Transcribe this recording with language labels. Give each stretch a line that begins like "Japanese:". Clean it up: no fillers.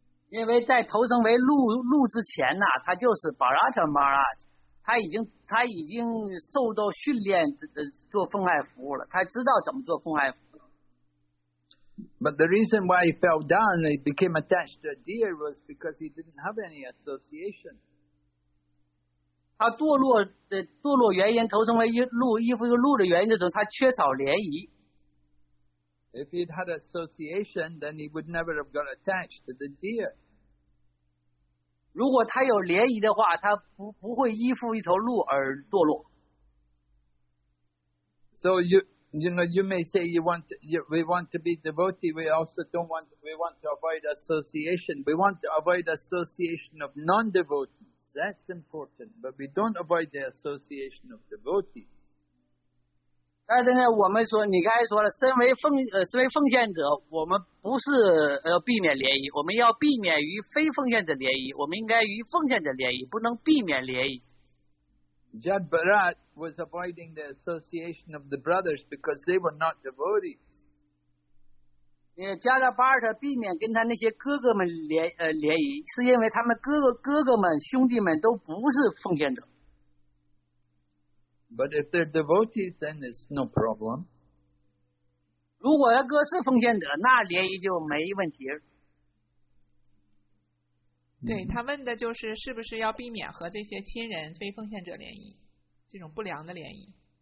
Chinese: 因为在投生为鹿之前呢，他就是 Bharata Maharaj， 他已经受到训练做奉爱服务了，他知道怎么做奉爱服务。
English: But the reason why he fell down and he became attached to a deer was because he didn't have any association.
Chinese: 他堕落原因，投生为鹿，依附于鹿的原因，就是他缺少涟漪。
English: If he'd had association, then he would never have got attached to the deer.
Chinese: 如果他有联谊的话，他不会依附一头鹿而堕落。
English: So you know, you may say we want to be devotee. We also don't want, we want to avoid association. We want to avoid association of non-devotees. That's important. But we don't avoid the association of devotees.
Chinese: 但是呢，我们说你刚才说了，身为奉献者，我们不是避免联谊，我们要避免与非奉献者联谊，我们应该与奉献者联谊，不能避免联谊。
English: Jad Bharat was avoiding the association of the brothers because they were not devotees.
Chinese: 加达巴尔特避免跟他那些哥哥们联谊，是因为他们哥哥们兄弟们都不是奉献者。
English: But if they're devotees, then it's no problem.
Chinese: 如果他哥是奉献者，那联谊就没问题。对，他问的就是是不是要避免和这些亲人非奉献者联谊，这种不良的联谊。